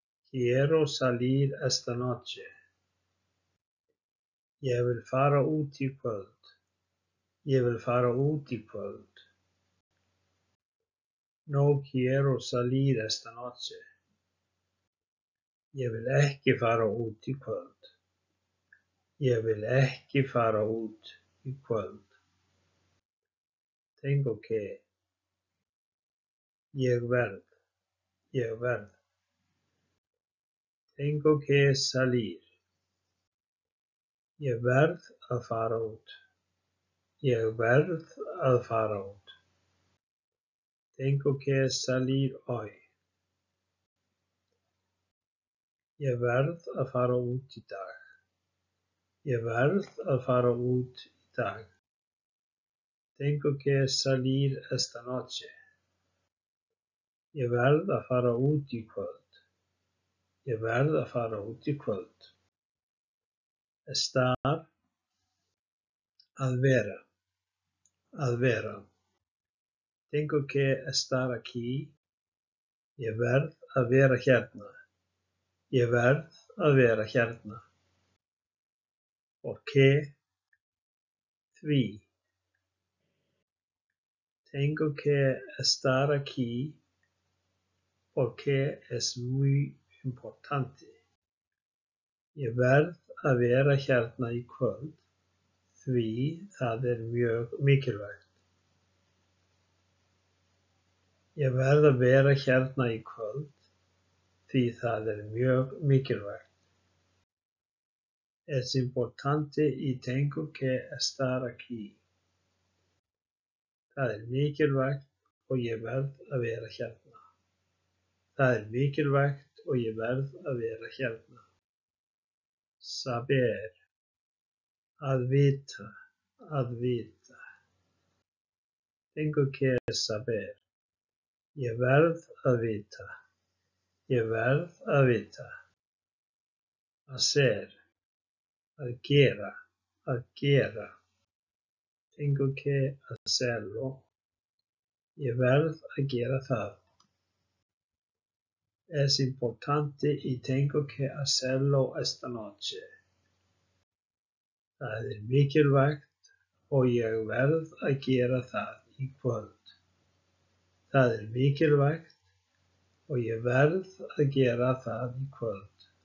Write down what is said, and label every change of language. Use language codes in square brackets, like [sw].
[es] Quiero salir esta noche. [is] Ég vil fara út í kvöld. Ég vil fara út í kvöld. [es] No quiero salir esta noche. [is] Ég vil ekki fara út í kvöld. Ég vil ekki fara út í kvöld. [es] Tengo que. [is] Ég verð. Ég verð. [es] Tengo que salir. [is] Ég verð að fara út. Ég verð að fara út. [es] Tengo que salir hoy. [is] Ég verð að fara út í dag. Ég verð að fara út í dag. [es] Tengo que salir esta noche. [is] Ég verð að fara út í kvöld. Ég verð að fara út í kvöld. [es] Estar. [is] Að vera. Að vera. [es] Tengo que estar aquí. [is] Ég verð að vera hérna. Ég verð að vera hérna. [es] Por qué. [is] Því. [es] Tengo que estar aquí. Porque es muy importante. [is] Ég verð að vera hérna í kvöld því það er mjög mikilvægt. Ég verð að vera hérna í kvöld því það er mjög mikilvægt. [es] Es importante y tengo que estar aquí. [is] Það er mikilvægt og ég verð að vera hérna. Það er mikilvægt og ég verð að vera hérna. [es] Saber. [is] Að vita. Að vita. [es] Tengo que saber. [is] Ég verð að vita. Ég verð að vita. [es] Hacer. [is] Að gera. Að gera. [es] Tengo que hacerlo. [is] Ég verð að gera það. [es] Es importante y tengo que hacerlo esta noche. [is] Það er mikilvægt og ég verð að gera það í kvöld. Það er mikilvægt og ég verð að gera það í kvöld.